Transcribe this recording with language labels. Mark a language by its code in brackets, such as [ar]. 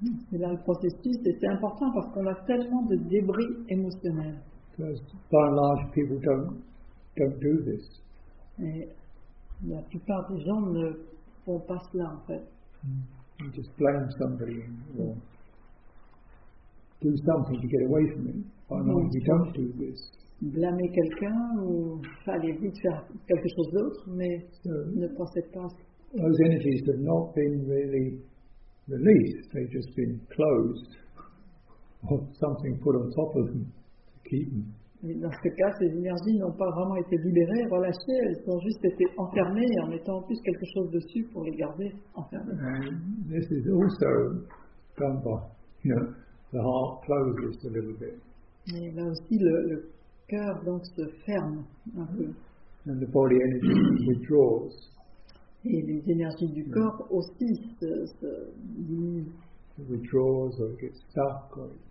[fr] C'est là le processus, et c'est important parce qu'on a tellement de débris émotionnels. [en] Because by and large, people don't do this. [fr] Et la plupart des gens ne font pas cela en fait. [en] You just blame somebody or do something to get away from it. By and large, you don't do this. [fr] Blâmer quelqu'un ou aller vite faire quelque chose d'autre, mais so, ne pensez pas. [en] Those energies have not been really released. They've just been closed or something put on top of them to keep them. [fr] Et dans ce cas, ces énergies n'ont pas vraiment été libérées, relâchées, elles ont juste été enfermées en mettant en plus quelque chose dessus pour les garder enfermées. [en] And this is also done by, you know, the heart closes a little bit. [fr] Et là aussi, le cœur donc se ferme un peu. [en] And the body energy withdraws. [fr] Et les énergies du corps aussi se diminuent. [en] It withdraws or it gets stuck or